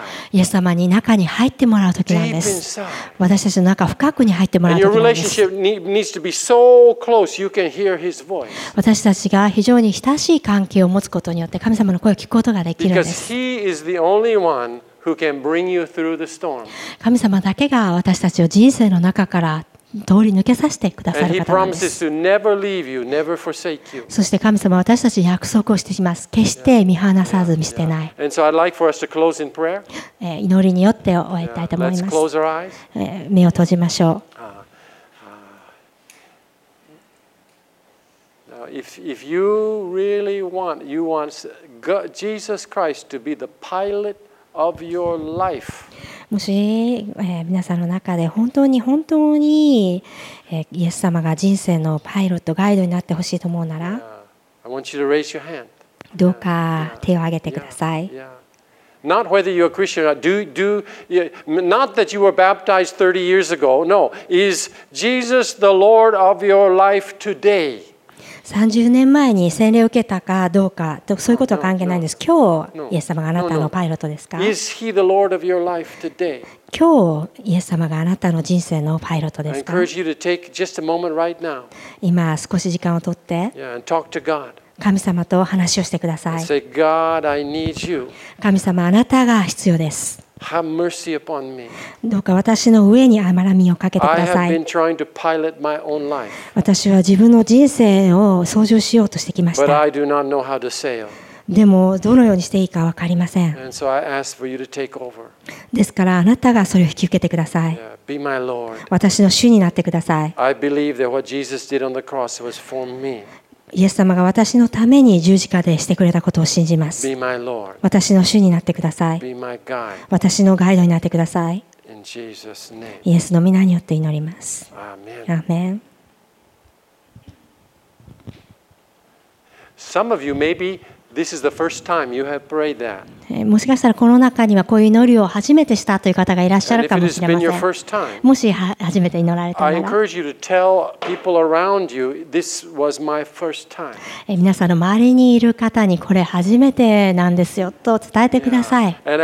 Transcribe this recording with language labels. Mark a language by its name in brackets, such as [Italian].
[Japanese] イエス様に中に入ってもらう時なんです。私たちの中深くに入ってもらう時なんです。私たちが非常に親しい関係を持つことによって神様の声を聞くことができるんです。 [English] Because he is the only one who can bring you through the storm. [Japanese] 神様だけが私たちを人生の中から通り抜けさせてくださる方です。そして神様は私たちに約束をしています。決して見放さず見捨てない。祈りによって終わりたいと思います。目を閉じましょう。 [English] If you really want, you want Jesus Christ to be the pilot of your life. [Japanese] もし、皆さんの中で本当に本当に、イエス様が人生のパイロットガイドになってほしいと思うなら、 [English] yeah. I want you to raise your hand. [Japanese] どうか手を挙げてください。 [English] Not whether you're a Christian or not. Do not that you were baptized 30 years ago. No. Is Jesus the Lord of your life today? [Japanese] 30年前に洗礼を受けたかどうかとそういうことは関係ないんです。今日イエス様があなたのパイロットですか？今日イエス様があなたの人生のパイロットですか？今少し時間を取って神様と話をしてください。神様あなたが必要です。 [English] Have mercy upon me. [Japanese] どうか私の上に憐れみをかけてください。 [English] I have been trying to pilot my own life. [Japanese] 私は自分の人生を操縦しようとしてきました。 [English] But I do not know how to sail. [Japanese] でもどのようにしていいか分かりません。 [English] And so I ask for you to take over. [Japanese] ですからあなたがそれを引き受けてください。 [English] Yeah, be my Lord. [Japanese] 私の主になってください。 [English] I believe that what Jesus did on the cross was for me. [Japanese] イエス様が私のために十字架でしてくれたことを信じます。私の主になってください。私のガイドになってください。イエスの御名によって祈ります。アーメン。 [English] Some of you maybeThis is the first time you have prayed that. [Japanese] もしかしたらこの中にはこういう祈りを初めてしたという方がいらっしゃるかもしれません。もし初めて祈られたなら、皆さんの周りにいる方にこれ初めてなんですよと伝えてください。